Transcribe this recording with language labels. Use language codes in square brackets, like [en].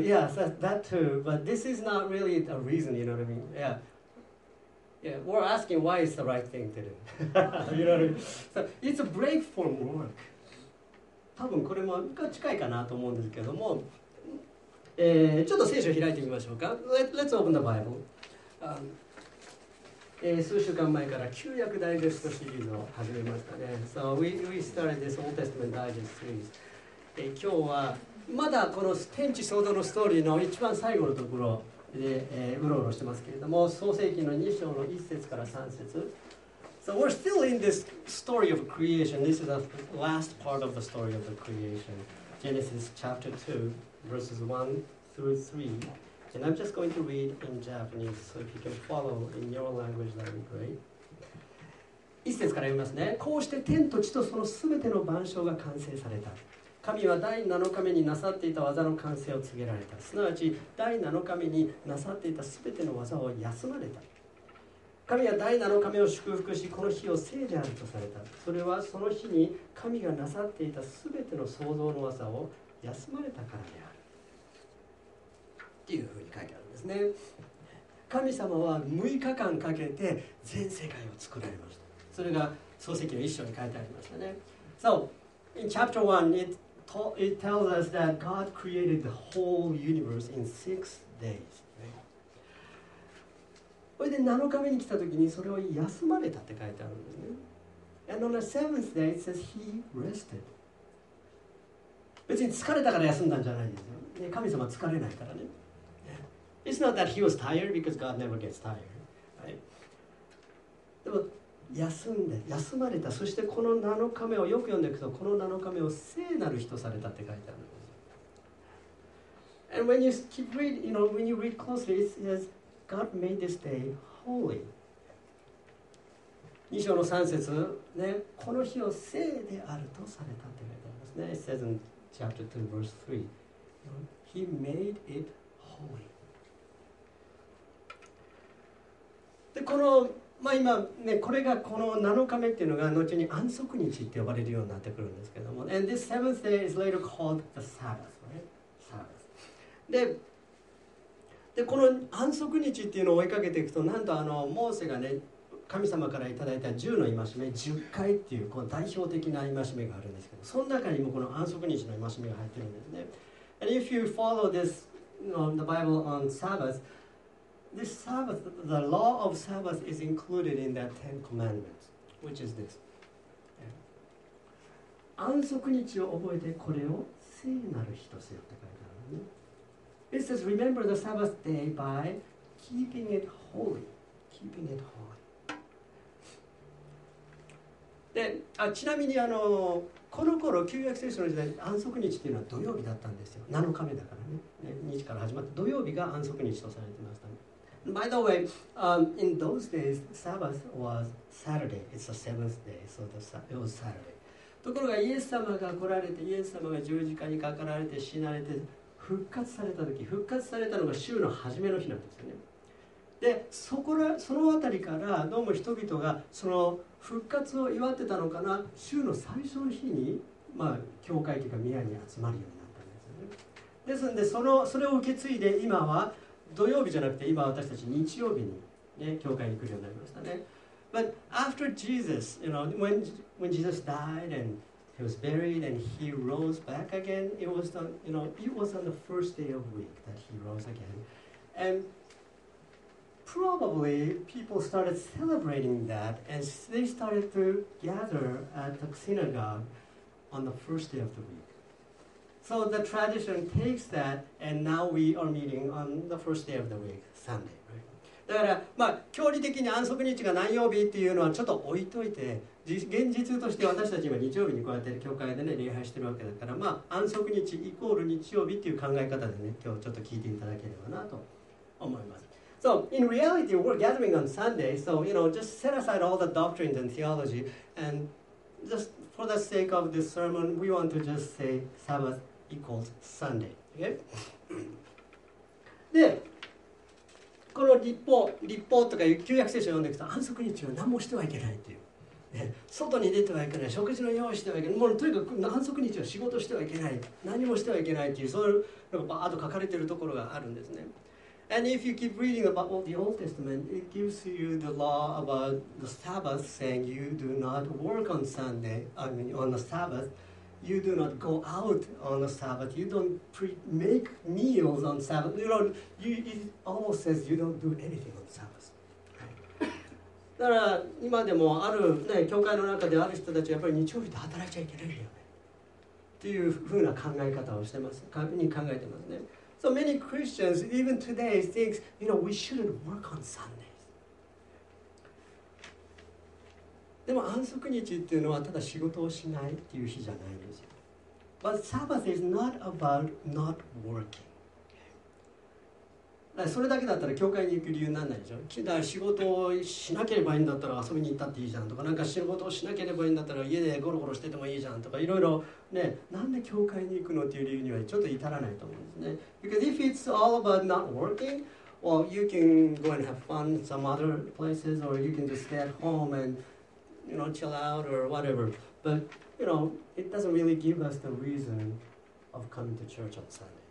[en] Yeah, that too, but this is not really a reason, you know what I mean? Yeah. Yeah, we're asking why it's the right thing to do. you know what I mean? So, it's a break from work. [ja] 多分これも近いかなと思うんですけども、ちょっと聖書を開いてみましょうか。 [en] Let's open the Bible. [ja] 数週間前から旧約ダイジェストシリーズを始めましたね。 [en] So, we started this Old Testament Digest series. [ja] 今日はまだこの天地創造のストーリーの一番最後のところ、で、うろうろしてますけれども、創世記の2章の1節から3節。 [en] So we're still in this story of creation. This is the last part of the story of the creation. Genesis chapter 2, verses 1 through 3. And I'm just going to read in Japanese, so if you can follow in your language, that'd be great. [ja] 1節から読みますね。こうして天と地とその全ての万象が完成された。神は第7日目になさっていた技の完成を告げられた。すなわち第7日目になさっていたすべての技を休まれた。神は第7日目を祝福し、この日を聖であるとされた。それはその日に神がなさっていたすべての創造の技を休まれたからである。っていうふうに書いてあるんですね。神様は6日間かけて全世界を作られました。それが創世記の一章に書いてありましたね。 [en] So, in chapter 1, it tells us that God created the whole universe in 6 days. [ja] それで7日目に来た時にそれを休まれたって書いてあるんですね。 [en] And on the seventh day, it says he rested. [ja] 別に疲れたから休んだんじゃないですよ。で、神様は疲れないからね。 [en] It's not that he was tired because God never gets tired. [ja] でも休んで休まれた。そしてこの7日目をよく読んでいくと、この7日目を聖なる日とされたって書いてあるんです。 [en] And when you keep reading, you know, when you read closely, it says God made this day holy. [ja] 2章の3節、ね、この日を聖であるとされたって書いてありますね。 [en] It says in chapter 2 verse 3, He made it holy. [ja] で、この、まあ今ね、これがこの7日目っていうのが後に安息日って呼ばれるようになってくるんですけども、 [en] And this seventh day is later called the Sabbath, right? Sabbath. [ja] で、この安息日っていうのを追いかけていくと、なんとあのモーセがね、神様からいただいた10の戒め、10回っていうこの代表的な戒めがあるんですけど、その中にもこの安息日の戒めが入ってるんですね。 [en] And if you follow this, the Bible on Sabbath, this Sabbath, the law of Sabbath is included in that Ten Commandments, which is this. [ja] 安息日を覚えてこれを聖なる日とせよって書いてあるのね。 [en] It says, remember the Sabbath day by keeping it holy. Keeping it holy. [ja] で、あ、ちなみにあのこの頃、旧約聖書の時代、安息日っていうのは土曜日だったんですよ。 7日目だからね。日から始まって、土曜日が安息日とされてました。 [en] By the way, in those days, Sabbath was Saturday. It's the seventh day, so it was Saturday. [ja] ところがイエス様が来られて、イエス様が十字架にかかられて死なれて、復活された時、復活されたのが週の初めの日なんですよね。で、そこら、そのあたりからどうも人々がその復活を祝ってたのかな、週の最初の日に、まあ、教会というか宮に集まるようになったんですよね。ですんで、それを受け継いで今は土曜日じゃなくて、今私たち日曜日に、ね、教会に来るようになりましたね。 [en] But after Jesus, you know, when Jesus died andHe was buried and he rose back again. It was on, you know, it was on the first day of week that he rose again. And probably people started celebrating that and they started to gather at the synagogue on the first day of the week. So the tradition takes that and now we are meeting on the first day of the week, Sunday, right? [ja] だから、まあ、教理的に安息日が何曜日っていうのはちょっと置いといて、現実として私たち今日曜日にこうやって教会でね礼拝してるわけだから、まあ安息日イコール日曜日っていう考え方でね、今日ちょっと聞いていただければなと思います。 [en] So in reality we're gathering on Sunday, so you know, just set aside all the doctrines and theology, and just for the sake of this sermon, we want to just say Sabbath equals Sunday. Okay? [ja] で、この立法とか旧約聖書を読んでいくと、安息日は何もしてはいけないっていう。外に出てはいけない、食事の用意してはいけない、もうとにかく安息日は仕事してはいけない、何もしてはいけないっていう、そういうのがバーッと書かれているところがあるんですね。 [en] And if you keep reading about the Old Testament, it gives you the law about the Sabbath, saying you do not work on Sunday, I mean on the Sabbath, you do not go out on the Sabbath, you don't make meals on Sabbath, you know, it almost says you don't do anything on Sabbath. [ja] だから今でもある、ね、教会の中である人たちはやっぱり日曜日で働いちゃいけないよねっていうふうな考え方をしてます、に考えてますね。 [en] So many Christians even today think, you know, we shouldn't work on Sundays. [ja] でも安息日っていうのはただ仕事をしないっていう日じゃないんですよ。 [en] But Sabbath is not about not working [ja] それだけだったら教会に行く理由にならないでしょ。だから仕事をしなければいいんだったら遊びに行ったっていいじゃんとか、なんか仕事をしなければいいんだったら家でゴロゴロしててもいいじゃんとか、いろいろね、なんで教会に行くのっていう理由にはちょっと至らないと思うんですね。 [en] Because if it's all about not working, well, you can go and have fun some other places, or you can just stay at home and, you know, chill out or whatever. But, you know, it doesn't really give us the reason of coming to church on Sunday.